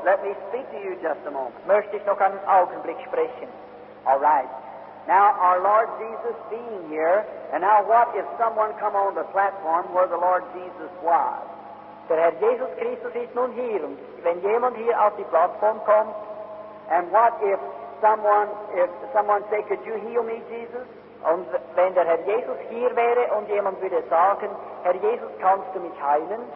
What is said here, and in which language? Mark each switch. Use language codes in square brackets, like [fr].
[en] let me speak to you just a moment. [de] Möchte ich noch einen Augenblick sprechen. [en] All right. Now, our Lord Jesus being here, and now what if someone come on the platform where the Lord Jesus was? [de] Der Herr Jesus Christus ist nun hier, und wenn jemand hier auf die Plattform kommt, [en] and what if someone say, could you heal me, Jesus? [de] Und wenn der Herr Jesus hier wäre und jemand würde sagen, Herr Jesus, kannst du mich heilen?